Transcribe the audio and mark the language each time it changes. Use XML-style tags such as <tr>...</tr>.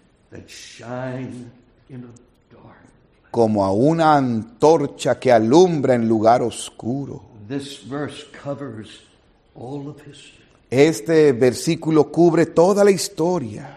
<en>That shine in a dark place.</en> <es>Como a una antorcha que alumbra en lugar oscuro.</es> <en>This verse covers all of history.</en> <es>Este versículo cubre toda la historia.</es>